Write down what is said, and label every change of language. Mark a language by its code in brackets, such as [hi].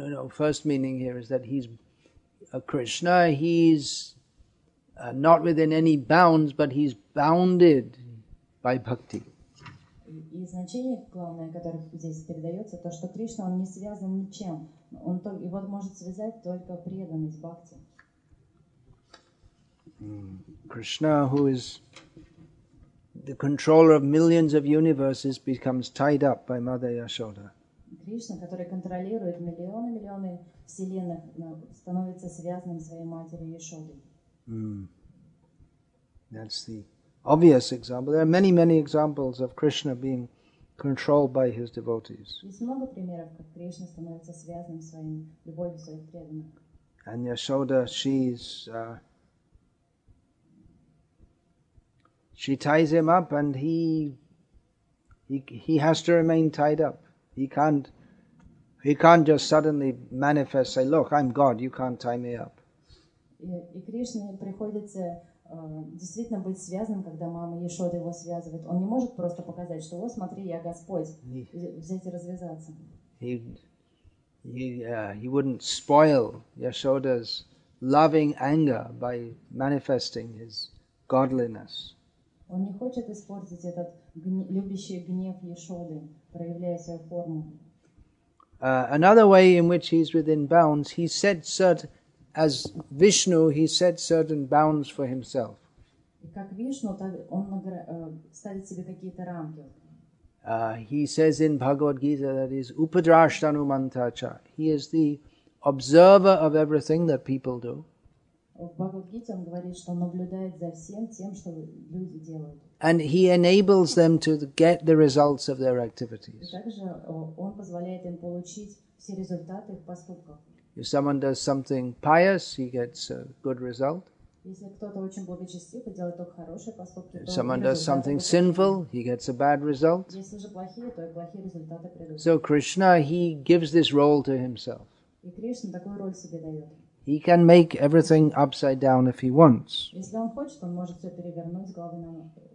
[en] First meaning here is that he's a Krishna. He's not within any bounds, but he's bounded by bhakti. [ru] И значение главное, которое здесь передается, то, что Кришна он не связан ничем. Он только его может связать только преданность бхакти. [en] Krishna, who is the controller of millions of universes, becomes tied up by Mother Yashoda. [ru] Кришна, который контролирует миллионы вселенных, становится связанным своей матерью Яшодой. [en] That's the obvious example. There are many examples of Krishna being controlled by his devotees. [ru] Есть много примеров, как Кришна становится связанным своим любовью своих преданных. [en] And Yashoda, she's she ties him up, and he has to remain tied up. He can't just suddenly manifest, say, "Look, I'm God. You can't tie me up." [ru] И Кришне приходится действительно быть связанным, когда мама Яшода его связывает. Он не может просто показать, что вот смотри, я Господь, взять и развязаться. [en] He wouldn't spoil Yashoda's loving anger by manifesting his godliness. [ru] Он не хочет испортить этот любящий гнев Яшоды, проявляя свою форму. [en] Another way in which he's within bounds, he sets certain, as Vishnu, he sets certain bounds for himself. [ru] Как Вишну, так он ставит себе какие-то рамки. [en] He says in Bhagavad Gita that is [sa] Upadrashtanu Mantacha. [en] He is the observer of everything that people do. [ru] В Бхагавад-гите он говорит, что он наблюдает за всем тем, что люди делают. [en] And he enables them to get the results of their activities. [ru] И также он позволяет им получить все результаты их поступков. [en] If someone does something pious, he gets a good result. [ru] Если кто-то очень благочестив и делает только хорошие поступки, то [en] someone does something sinful, he gets a bad result. [ru] Если же плохие, то и плохие результаты придут. [en] So Krishna, he gives this role to himself. [ru] И Кришна такую роль себе дает. [en] He can make everything upside down if he wants. [ru] Если он хочет, он может все перевернуть с головы на ногу.